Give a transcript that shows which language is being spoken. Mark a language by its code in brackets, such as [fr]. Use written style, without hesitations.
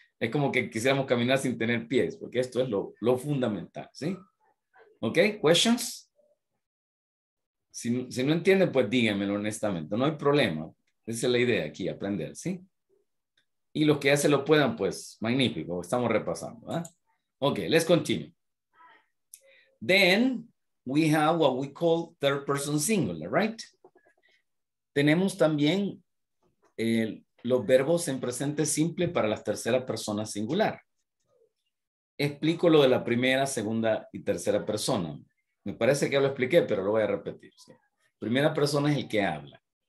[es] Es como que quisiéramos caminar sin tener pies, porque esto es lo fundamental, ¿sí? ¿Ok? ¿Questions? Si no entienden, pues díganmelo honestamente, no hay problema. Esa es la idea aquí, aprender, ¿sí? Y los que ya se lo puedan, pues magnífico, estamos repasando, ¿verdad? [en] Ok, let's continue. Then we have what we call third person singular, right? [es] Tenemos también los verbos en presente simple para las terceras personas singular. Explico lo de la primera, segunda y tercera persona. Me parece que ya lo expliqué, pero lo voy a repetir. ¿Sí? Primera persona es el que habla.